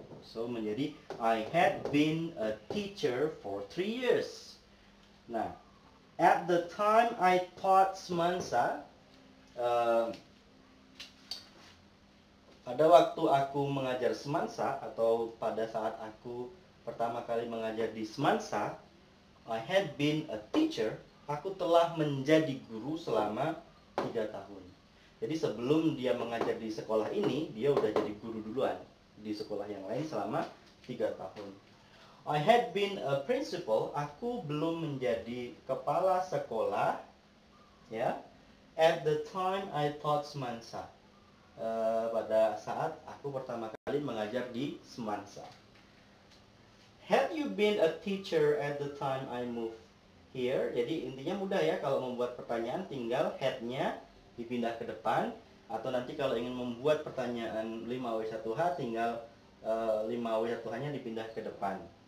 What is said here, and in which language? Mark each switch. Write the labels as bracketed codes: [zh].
[en] So [id] menjadi [en] I had been a teacher for 3 years. [id] Nah, [en] at the time I taught semansa, [id] pada waktu aku mengajar semansa atau pada saat aku pertama kali mengajar di semansa, [en] I had been a teacher, [id] aku telah menjadi guru selama 3 tahun. Jadi sebelum dia mengajar di sekolah ini, dia udah jadi guru duluan di sekolah yang lain selama 3 tahun. [en] I had been a principal, [id] aku belum menjadi kepala sekolah, ya, [en] at the time I taught semansa, [id] pada saat aku pertama kali mengajar di semansa. [en] Had you been a teacher at the time I moved here? [id] Jadi intinya mudah ya, kalau membuat pertanyaan tinggal had-nya dipindah ke depan, atau nanti kalau ingin membuat pertanyaan 5W1H tinggal 5W1H-nya dipindah ke depan.